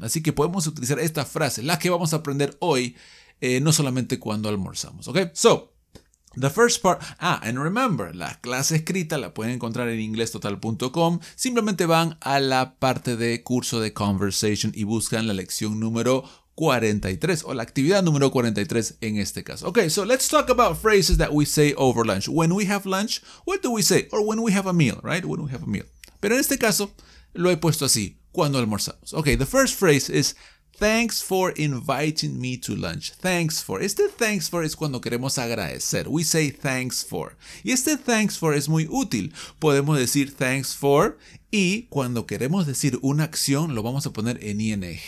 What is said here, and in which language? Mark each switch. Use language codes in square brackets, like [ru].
[es] Así que podemos utilizar esta frase, la que vamos a aprender hoy, no solamente cuando almorzamos, okay? [en] So, the first part, and remember, [es] la clase escrita la pueden encontrar en inglestotal.com. Simplemente van a la parte de curso de conversation y buscan la lección número 43 o la actividad número 43 en este caso. [en] Okay, so let's talk about phrases that we say over lunch. When we have lunch, what do we say? Or when we have a meal, right? When we have a meal. [es] Pero en este caso, lo he puesto así, cuando almorzamos. [en] Okay, the first phrase is, thanks for inviting me to lunch. Thanks for. [es] Este thanks for es cuando queremos agradecer. [en] We say thanks for. [es] Y este thanks for es muy útil. Podemos decir thanks for y cuando queremos decir una acción lo vamos a poner en ing.